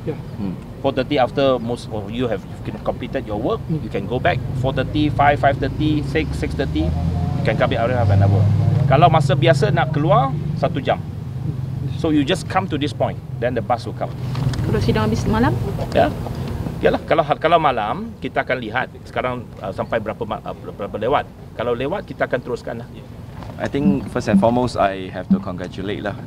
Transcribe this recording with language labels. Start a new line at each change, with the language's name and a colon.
English: Yeah. 4:30 after most of you have completed your work, you can go back. 4:30, 5, 5:30, 6, 6:30, you can come back every half an hour.
Malay: Kalau masa biasa nak keluar, 1 jam.
English: So you just come to this point, then the bus will come.
Malay: Kalau sidang habis malam? Ya. Yeah. Yalah, kalau malam, kita akan lihat sekarang sampai berapa lewat. Kalau lewat, kita akan teruskan. Lah.
English: I think first and foremost, I have to congratulate lah.